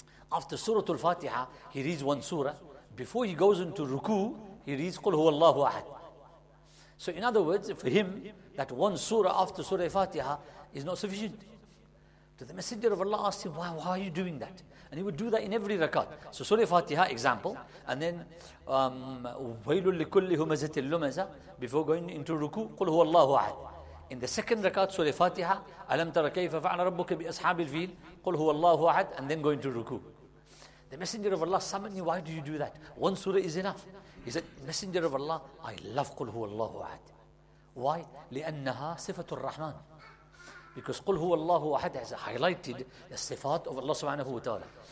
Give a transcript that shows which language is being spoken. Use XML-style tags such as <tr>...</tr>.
<en>After Surah Al-Fatiha, he reads one surah. Before he goes into ruku, he reads Qul Huwallahu Ahad. So in other words, for him, that one surah after Surah Fatiha is not sufficient. So the Messenger of Allah asked him, why are you doing that? And he would do that in every rakat. So Surah Fatiha, example. And then,</en> <ar>وَيْلٌ لِكُلِّ هُمَزَةِ اللُّمَزَةِ.</ar> <en>Before going into ruku,</en> <ar>قُلْ هُوَ اللَّهُ أَحَدٍ.</ar> <en>In the second rakat, Surah Fatiha,</en> <ar>أَلَمْ تَرَ كَيْفَ فَعْلَ رَبُّكَ بِأَصْحَابِ الْفِيلِ. قُلْ هُوَ اللَّهُ أَحَدٍ.</ar> <en>And then going into ruku. The Messenger of Allah summoned him, why do you do that? One surah is enough. He said, Messenger of Allah, I love</en> <ar>قُلْ هُوَ اللَّهُ أَحَدٍ.</ar> <en>Why?</en> <ar>لِأَنَّهَا صِفَةُ الرَّحْمَنِ.</ar> <en>Because</en> <ar>قُلْ هُوَ اللَّهُ أَحَدٍ</ar> <en>has highlighted the sifat of Allah subhanahu wa ta'ala.</en>